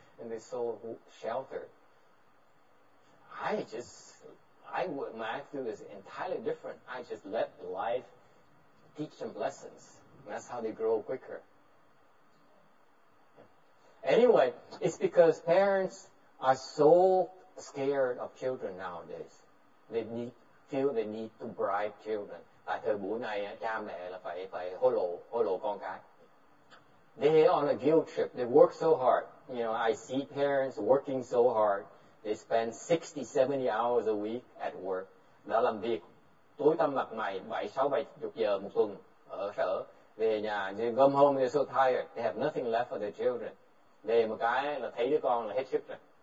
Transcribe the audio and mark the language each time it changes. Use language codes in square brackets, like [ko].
[en] And they're so sheltered. My attitude is entirely different. I just let life teach them lessons. And that's how they grow quicker. Anyway, it's because parents are so scared of children nowadays. They feel the need to bribe children. [vi] Tại thời buổi này, cha mẹ là phải hối lộ con cái. [en] They are on a guilt trip. They work so hard. You know, I see parents working so hard. They spend 60-70 hours a week at work. [vi] Đã làm việc tối tăm mặt mày 7-60 giờ một tuần ở sở. Về nhà, [en] they come home, they're so tired. They have nothing left for their children. [vi] Về một cái là thấy đứa con là hết sức rồi.